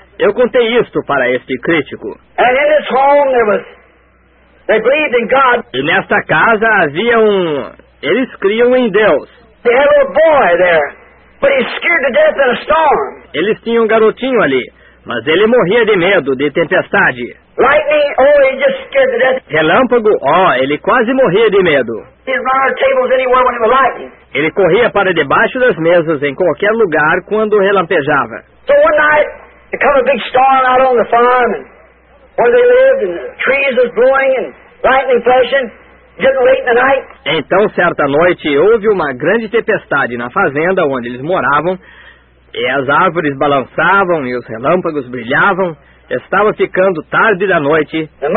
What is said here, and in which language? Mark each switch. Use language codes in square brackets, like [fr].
[pt] Eu contei isto para este crítico. [en] And in this home there was... They believed in God. [pt] E nesta casa havia um... Eles criam em Deus. [en] They had a little boy there. But he's scared to death in a storm. [pt] Eles tinham um garotinho ali. Mas ele morria de medo de tempestade. [en] Lightning, oh, he just scared to death. [pt] Relâmpago, oh, ele quase morria de medo. [en] He'd run out of tables anywhere when it was lightning. [pt] Ele corria para debaixo das mesas em qualquer lugar quando relampejava. [en] So one night, there came a big storm out on the farm and where they lived and the trees was blowing and lightning flashing. [pt] Então, certa noite, houve uma grande tempestade na fazenda onde eles moravam, e as árvores balançavam e os relâmpagos brilhavam. Estava ficando tarde da noite.